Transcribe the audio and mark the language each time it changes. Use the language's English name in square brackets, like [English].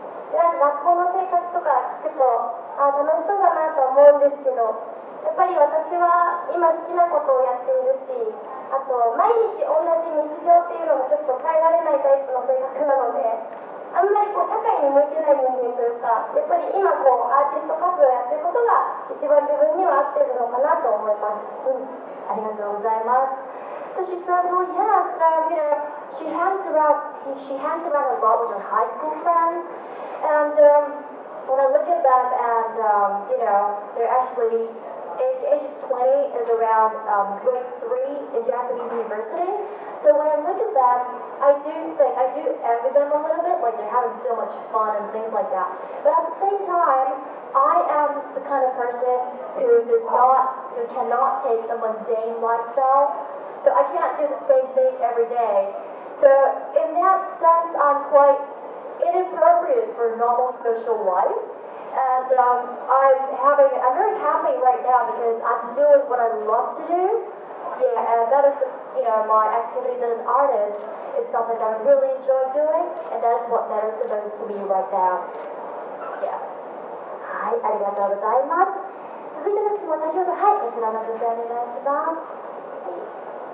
[Japanese] で、なんか学校の生活とか聞くと、あ、楽しそうだなと思うんですけど、やっぱり私は今好きなことをやっているし、あと毎日同じ日常っていうのがちょっと耐えられないタイプの性格なので、あんまりこう社会に向いてない人間というか、やっぱり今こうアーティスト活動をやってることが一番自分には合ってるのかなと思います。うん、ありがとうございます。 [English] So she says, well yes, you know, she hangs around a lot with her high school friends, and when I look at them and you know, they're actually age 20 is around grade 3 in Japanese university. So when I look at them, I do envy them a little bit, like they're having so much fun and things like that. But at the same time, I am the kind of person who cannot take a mundane lifestyle. So I can't do the same thing every day. So in that sense, I'm quite inappropriate for normal social life. And I'm very happy right now because I'm doing what I love to do. Yeah, and that is, you know, my activities as an artist is something that I really enjoy doing, and that is what matters the most to me right now. Yeah. [Japanese] はい、ありがとうございます。続いての質問は先ほど、はい、こちらの女性お願いします。